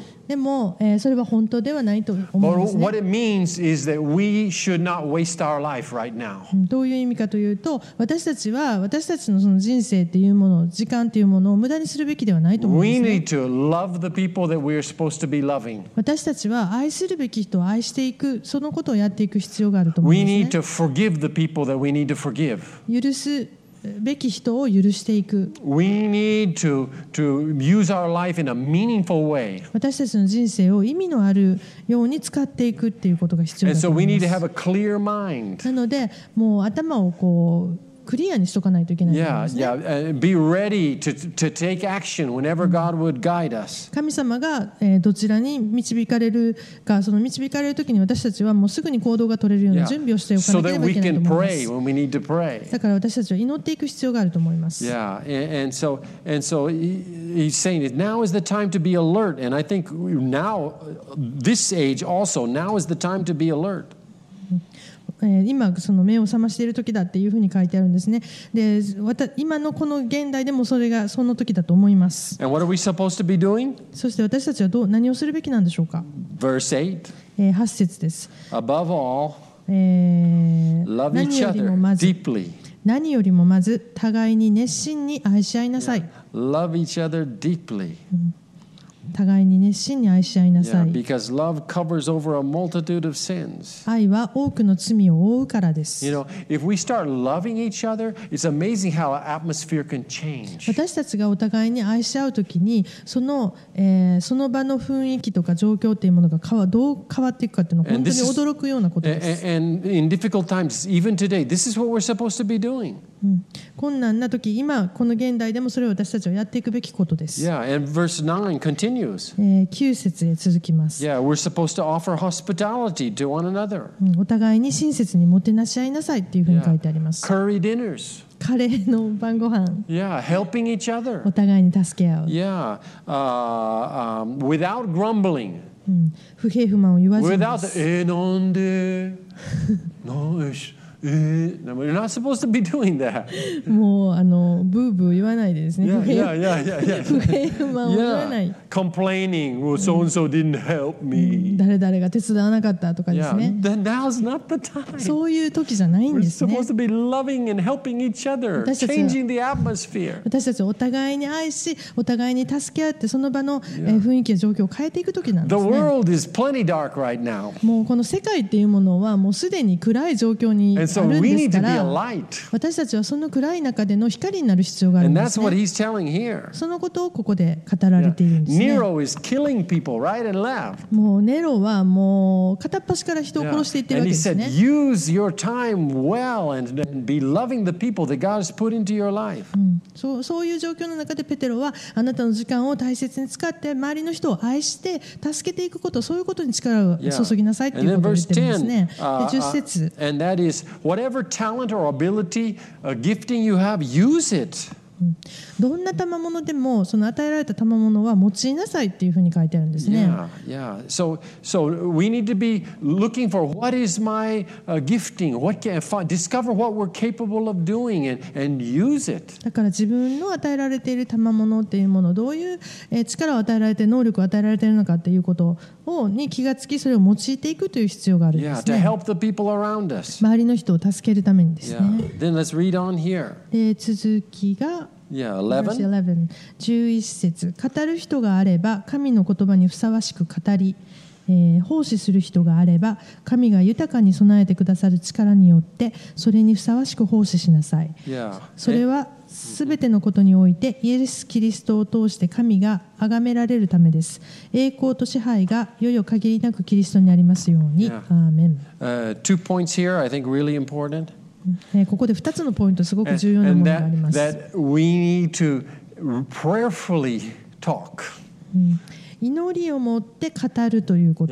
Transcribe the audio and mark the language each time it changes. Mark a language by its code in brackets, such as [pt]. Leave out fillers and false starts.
[ja] でも、それは本当ではないと思いますね。 [en] But what it means is that we should not waste our life right now. [ja] どういう意味かというと、私たちは私たち の、 その人生というもの、時間というものを無駄にするべきではないと思いますね。 [en] We need to love the people that we are supposed to be loving. [ja] 私たちは愛するべき人を愛していく、そのことをやっていく必要があると思いますね。 [en] We need to forgive the people that we need to forgive. [ja] 許すべき人を許していく。 [en] We need to use our life in a meaningful way. [ja] 私たちの人生を意味のあるように使っていくっていうことが必要だと思います。 [en] And so we need to have a clear mind. [ja] なのでもう頭をこうクリアにしとかないといけないですね。 [en] Yeah, yeah. Be ready to take action whenever God would guide us. [ja] 神様がどちらに導かれるか、その導かれるときに私たちはもうすぐに行動が取れるような準備をしておかなければいけないと思います。 [en] So that we can pray when we need to pray. [ja] だから私たちは祈っていく必要があると思います。 [en] Yeah, and so he's saying it. Now is the time to be alert. And I think now, this age also, now is the time to be alert. [ja] 今その目を覚ましている時だっていうふうに書いてあるんですね。で、今のこの現代でもそれがその時だと思います。 [en] And what are we supposed to be doing? [ja] そして私たちはどう何をするべきなんでしょうか。 [en] Verse 8, [ja] 8節です。 [en] Above all, love each other deeply. [ja] 何よりもまず互いに熱心に愛し合いなさい。 [en] Love each other deeply. [ja] 互いに熱心に愛し合いなさい。 [en] Yeah, because love covers over a multitude of sins. [ja] 愛は多くの罪を覆うからです。 [en] You know, if we start loving each other, it's amazing how our atmosphere can change. [ja] 私たちがお互いに愛し合うときに、その場の雰囲気とか状況というものがどう変わっていくかというのは本当に驚くようなことです。 [en] And in difficult times, even today, this is what we're supposed to be doing. [ja] 困難な時、今この現代でもそれを私たちはやっていくべきことです。 [en] Yeah, and verse 9 continues. [ja] 9節へ続きます。 [en] Yeah, we're supposed to offer hospitality to one another. [ja] お互いに親切にもてなし合いなさいっていうふうに書いてあります。 [en] Yeah, curry dinners. [ja] カレーの晩御飯。 [en] Yeah, helping each other. [ja] お互いに助け合う。 [en] Yeah, without grumbling. [ja] 不平不満を言わずに。 [en] Without, [ja] なんで、なんでし。 [en] You're not supposed to be doing that. [ja] もうブーブー言わないですね。 [en] Yeah, yeah, yeah, yeah. [ja] 不平不満を言わない。 [en] Yeah. Complaining, well, so and so didn't help me. [ja] 誰々が手伝わなかったとかですね。 [en] Yeah. Then now's not the time. [ja] そういう時じゃないんですね。 [en] We're supposed to be loving and helping each other, changing the atmosphere. [ja] 私たちお互いに愛し、お互いに助け合って、その場の雰囲気や状況を変えていく時なんですね。 [en] The world is plenty dark right now. [ja] もうこの世界っていうものはもうすでに暗い状況に。 [en] And so we need to be a light. [ja] 私たちはその暗い中での光になる必要があるんですね。 [en] And that's what he's telling here. [ja] そのことをここで語られているんですね。 [en] Nero is killing people right and left. [ja] もうネロはもう片っ端から人を殺していってるわけですね。 [en] And he said, use your time well and be loving the people that God has put into your life. [ja] そういう状況の中でペテロはあなたの時間を大切に使って周りの人を愛して助けていくこと、そういうことに力を注ぎなさいっていうことを言ってるんですね。 [en] And then verse 10, 10節 and that isWhatever talent or ability, gifting you have, use it. [ja] どんな賜物でもその与えられた賜物は用いなさいっていうふうに書いてあるんですね。 [en] Yeah, yeah. So we need to be looking for what is my gifting, what can I find, discover what we're capable of doing and use it. [ja] だから自分の与えられている賜物っていうもの、どういう力を与えられて能力を与えられているのかっていうことををに気がつき、それを用いていくという必要があるんですね。 [en] Yeah, to help the people around us. [ja] 周りの人を助けるためにですね。 [en] Yeah. Then let's read on here. [ja] で続きが [en] Verse 11. [ja] 11節、語る人があれば神の言葉にふさわしく語り、奉仕する人があれば神が豊かに備えてくださる力によってそれにふさわしく奉仕しなさい。 [en] Yeah. [ja] それはすべてのことにおいてイエス・キリストを通して神が崇められるためです。栄光と支配がいよいよ限りなくキリストにありますように。 [en] Yeah. アーメン。 Two points here, I think really important. [ja] ここで2つのポイント、すごく重要なものがあります。 [en] And that we need to prayerfully talk. [ja] 祈りを持って語るということ。